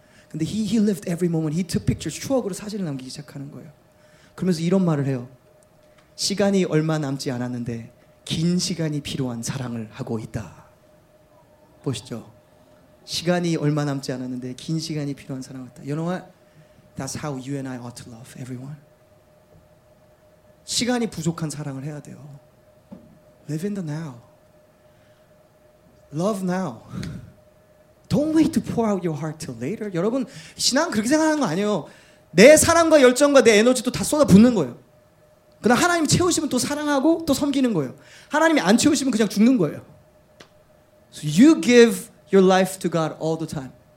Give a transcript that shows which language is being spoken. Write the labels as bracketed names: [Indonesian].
[English] 근데 he lived every moment. He took pictures, [Korean] 추억으로 사진을 남기기 시작하는 거예요. 그러면서 이런 말을 해요. 시간이 얼마 남지 않았는데 긴 시간이 필요한 사랑을 하고 있다. 보시죠. 시간이 얼마 남지 않았는데 긴 시간이 필요한 사랑 같다. [English] You know what? That's how you and I ought to love everyone. [Korean] 시간이 부족한 사랑을 해야 돼요. [English] Live in the now. Love now. Don't wait to pour out your heart till later. [Korean] 여러분, 신앙 그렇게 생각하는 거 아니에요. 내 사랑과 열정과 내 에너지도 다 쏟아붓는 거예요. 그러나 하나님 채우시면 또 사랑하고 또 섬기는 거예요. 하나님이 안 채우시면 그냥 죽는 거예요. [English] So you give your life to God all the time.